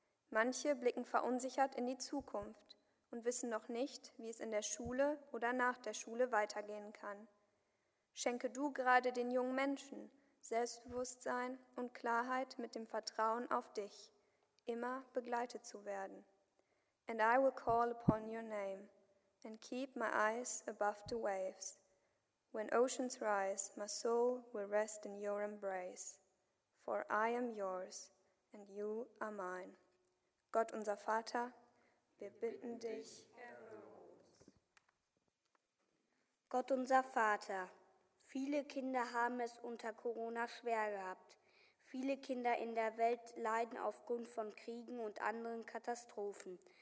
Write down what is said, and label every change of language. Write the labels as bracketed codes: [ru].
[de] Manche blicken verunsichert in die Zukunft und wissen noch nicht, wie es in der Schule oder nach der Schule weitergehen kann. Schenke du gerade den jungen Menschen Selbstbewusstsein und Klarheit mit dem Vertrauen auf dich, immer begleitet zu werden. [en] And I will call upon your name and keep my eyes above the waves. When oceans rise, my soul will rest in your embrace. For I am yours and you are mine. [de] Gott, unser Vater, wir bitten dich, erhöre uns. Gott, unser Vater, viele Kinder haben es unter Corona schwer gehabt. Viele Kinder in der Welt leiden aufgrund von Kriegen und anderen Katastrophen.